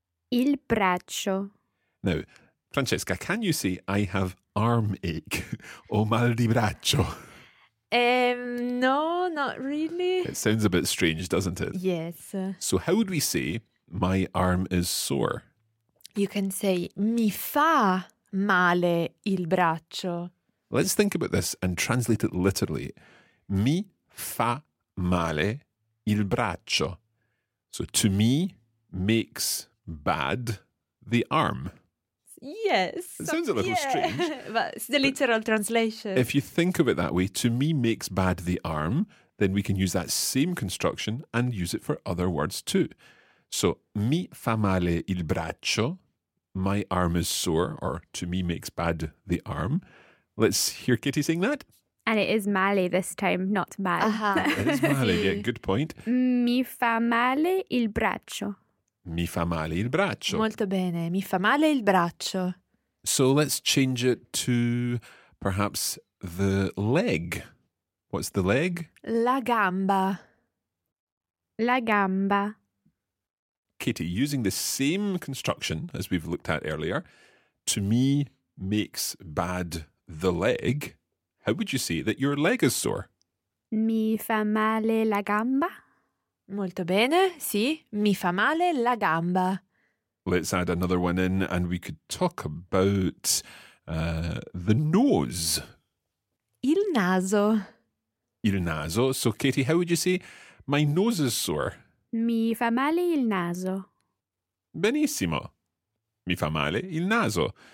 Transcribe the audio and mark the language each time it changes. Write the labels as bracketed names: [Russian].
[Italian] Il braccio. [English] Now, Francesca, can you say, I have arm ache? [Italian] O mal di braccio? [English] No, not really. It sounds a bit strange, doesn't it? Yes. So how would we say, my arm is sore? You can say, [Italian] mi fa male il braccio. [English] Let's think about this and translate it literally. [Italian] Mi fa male il braccio. [English] So to me makes bad the arm. Yes. It sounds a little strange. But it's the literal translation. If you think of it that way, to me makes bad the arm, then we can use that same construction and use it for other words too. So [Italian] mi fa male il braccio. [English] My arm is sore, or to me makes bad the arm. Let's hear Kitty saying that. And it is male this time, not mal. Uh-huh. It is male, yeah, good point. [Italian] Mi fa male il braccio. Mi fa male il braccio. Molto bene, mi fa male il braccio. [English] So let's change it to perhaps the leg. What's the leg? [Italian] La gamba. La gamba. [English] Kitty, using the same construction as we've looked at earlier, to me makes bad the leg. How would you say that your leg is sore? [Italian] Mi fa male la gamba. Molto bene, sì, mi fa male la gamba. [English] Let's add another one in and we could talk about the nose. [Italian] Il naso. Il naso. [English] So, Kitty, how would you say my nose is sore? [Italian] Mi fa male il naso. Benissimo. Mi fa male il naso.